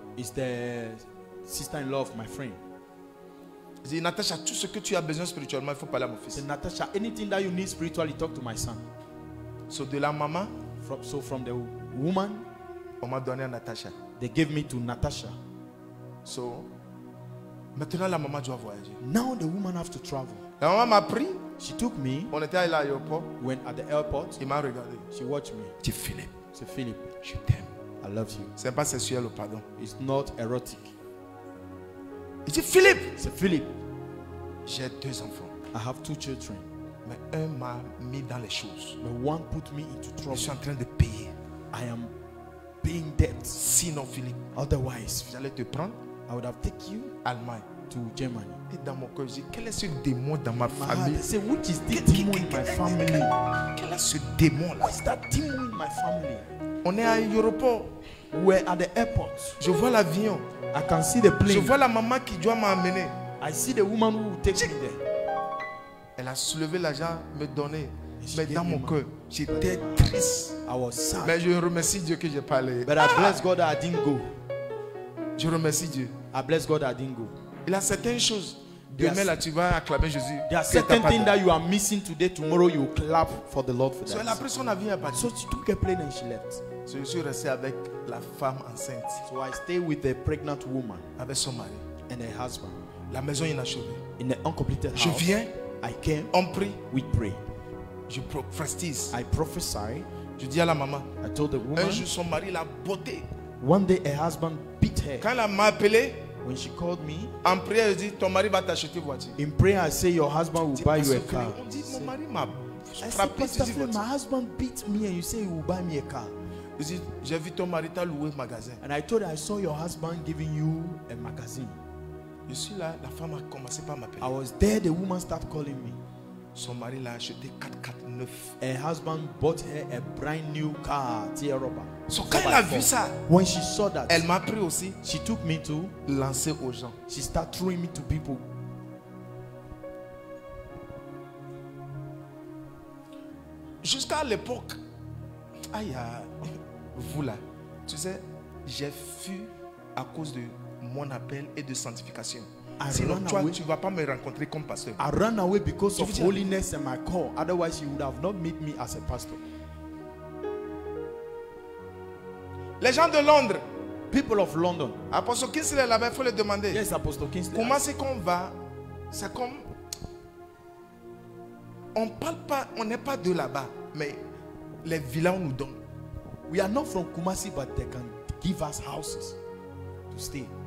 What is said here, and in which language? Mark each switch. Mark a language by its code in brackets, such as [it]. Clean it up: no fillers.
[en] It's the sister-in-law of my friend. [fr] Dit Natasha, tout ce que tu as besoin spirituellement, il faut parler à mon fils. [en] Said, Natasha, anything that you need spiritually, talk to my son. [fr] So de la maman, [en] from the woman, [fr] on m'a donné à Natasha. [en] They gave me to Natasha. [fr] So maintenant la maman doit voyager. [en] Now the woman have to travel. [fr] La maman m'a pris. [en] She took me. [fr] On était à l'aéroport. [en] Went at the airport. [fr] Il m'a regardé. [en] She watched me. [fr] Dit Philip. C'est Philip. Je t'aime. [en] I love you. [fr] C'est pas sexuel, pardon. [en] It's not erotic. [fr] Il dit Philippe. C'est Philippe. J'ai deux enfants. [en] I have two children. [fr] Mais un m'a mis dans les choses. [en] But one put me into trouble. [fr] Je suis en train de payer. [en] I am paying debt. [fr] Sinon Philippe. [en] Otherwise, [fr] j'allais te prendre. [en] I would have taken you. [fr] Allemagne. [en] To Germany. [fr] Et dans mon cœur, je dis, quel est ce démon dans ma famille? [en] They say, which is this demon in my family? [fr] Quel est ce démon là? [en] What is that demon in my family? [fr] On est à l'aéroport. [en] We're at the airport. [fr] Je vois l'avion. [en] I can see the plane. [fr] Je vois la maman qui doit m'amener. [en] I see the woman who will take me there. [fr] Elle a soulevé l'argent, me donné. Mais dans mon cœur, j'étais triste. [en] I was sad. [fr] Mais je remercie Dieu que j'ai parlé. [en] But I bless God that I didn't go. [fr] Je remercie Dieu. [en] I bless God that I didn't go. [fr] Il y a certaines choses. Demain là, tu vas acclamer Jésus. [en] There are certain things that you are missing today. Tomorrow, you will clap for the Lord for that. [fr] So la personne a vu à partir. [en] So she took a plane and she left. [fr] So je suis resté avec la femme enceinte. [en] So I stay with the pregnant woman. [fr] Avec son mari. [en] And her husband. [fr] La maison inachevée. [en] In an uncompleted house. [fr] Je viens. [en] I came. [fr] On prie. [en] We pray. [fr] Je prophétise. [en] I prophesy. [fr] Je dis à la maman. [en] I told the woman. [fr] Un jour, son mari l'a botté. [en] One day, her husband beat her. [fr] Quand elle m'a appelé. [en] When she called me, [fr] en prière, je dis, ton mari va t'acheter voiture. [en] In prayer, I say your husband will buy you a car. [fr] On dit, mon mari m'a frappé. [en] I say, Pastor, my husband beat me, and you say he will buy me a car. [fr] Je dis, j'ai vu ton mari t'a loué magasin. [en] And I told her, I saw your husband giving you a magazine. [fr] Je suis là, la femme a commencé par m'appeler. [en] I was there, the woman started calling me. [fr] Son mari l'a acheté 4x4 9. [en] Her husband bought her a brand new car, Tier Rubber. [fr] So quand elle a vu ça, [en] when she saw that, [fr] elle m'a pris aussi. [en] She took me to [fr] lancer aux gens. [en] She started throwing me to people. [fr] jusqu'à l'époque, aïe, vous là, tu sais, j'ai fui à cause de mon appel et de sanctification. Sinon, toi, tu ne vas pas me rencontrer comme pasteur. [en] I ran away because of holiness in my core. Otherwise, you would have not met me as a pastor. [fr] Les gens de Londres. [en] People of London. [fr] Apostle Kingsley, là-bas, il faut le demander. [en] Yes, Apostle Kingsley. [fr] Comment c'est qu'on va? C'est comme. On parle pas, on n'est pas de là-bas, mais les villas on nous donne. [en] We are not from Kumasi, but they can give us houses to stay.